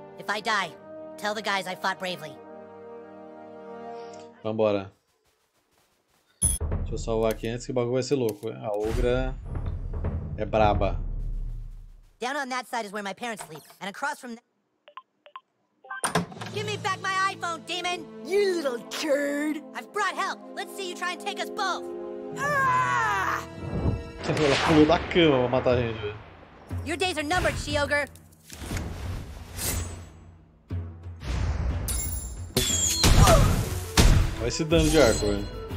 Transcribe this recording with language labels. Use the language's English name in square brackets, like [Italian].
[English] If I die, tell the guys I fought bravely. [Portuguese] Vambora. Deixa eu salvar aqui antes que o bagulho vai ser louco. A Ogra é braba. [English] Down on that side is where my parents sleep, and across from there. Give me back my iPhone, demon! You little turd! I've brought help! Let's see you try and take us both! Ah! [Portuguese] Ela pulou da cama pra matar a gente. [English] Your days are numbered, She-Ogre! [Portuguese] Olha esse dano de arco, velho.